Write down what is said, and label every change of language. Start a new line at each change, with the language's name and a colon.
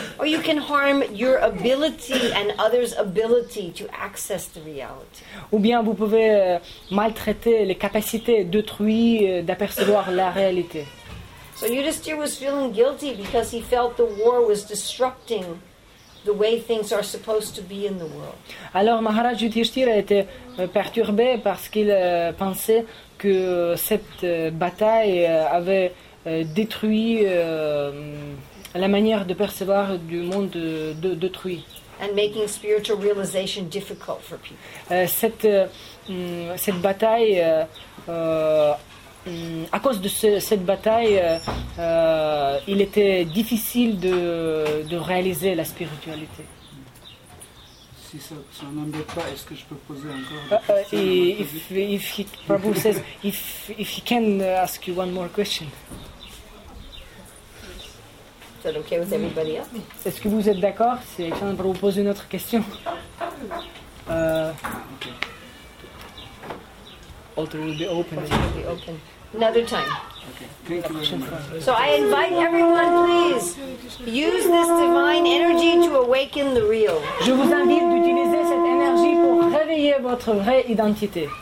English: Or you can harm your ability and others' ability to access the reality.
French: Ou bien vous pouvez maltraiter les capacités d'autrui d'apercevoir la réalité.
English: So Yudhishthir was feeling guilty because he felt the war was disrupting the way things are supposed to be in the world.
French: Alors Maharaj Yudhishthira a été perturbé parce qu'il pensait que cette bataille avait détruit la manière de percevoir du monde d'autrui.
English: And making spiritual realization difficult for people.
French: Cette bataille, à cause de cette bataille, il était difficile de réaliser la spiritualité. Si ça n'embête pas, est-ce que je peux poser encore?
English: Prabhu says, if he can ask you one more question. Is that okay with everybody else?
French: Est-ce que vous êtes d'accord? C'est quelqu'un pour vous poser une autre question.
English: Altar will be open. Another time. Okay. So I invite everyone, please, use this divine energy to awaken the real.
French: Je vous invite d'utiliser cette énergie pour réveiller votre vraie identité.